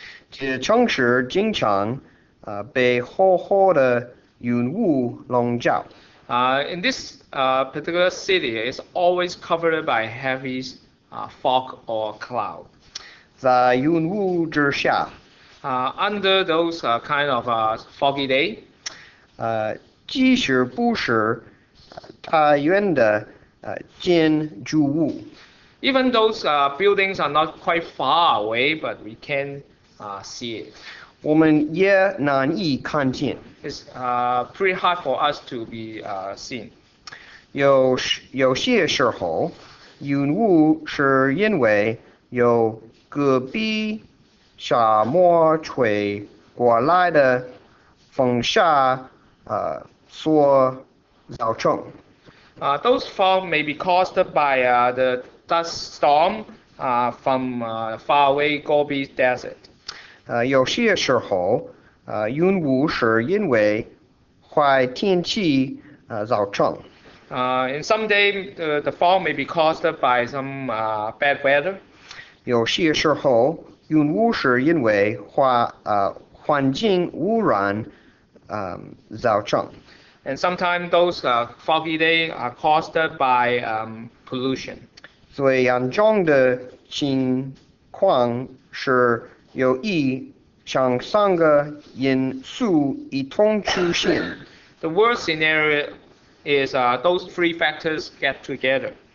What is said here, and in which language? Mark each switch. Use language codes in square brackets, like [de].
[zh] 这城市经常被厚厚的云雾笼罩。 [en] In this particular city, it's always covered by heavy fog or cloud. [zh] 在云雾之下。 [en] Under those kind of foggy day, [zh] 即使不是太远的建筑物 [en] ，even those buildings are not quite far away, but we can see it. [zh] 我们也难以看见。 [en] It's pretty hard for us to be seen. [zh] 有些时候，云雾是因为有隔壁。沙漠吹过来的风沙所造成。 [en] Those fog may be caused by the dust storm from far away Gobi Desert. [zh] 有些时候，云雾是因为坏天气造成。 [en] In some day, the fog may be caused by some bad weather. [zh] 有些时候。云雾是因为环境污染造成。 [en] And sometimes those foggy days are caused by pollution. [zh] 最严重的情况是有以上三个因素一同出现。 [en] The worst scenario is those three factors get together.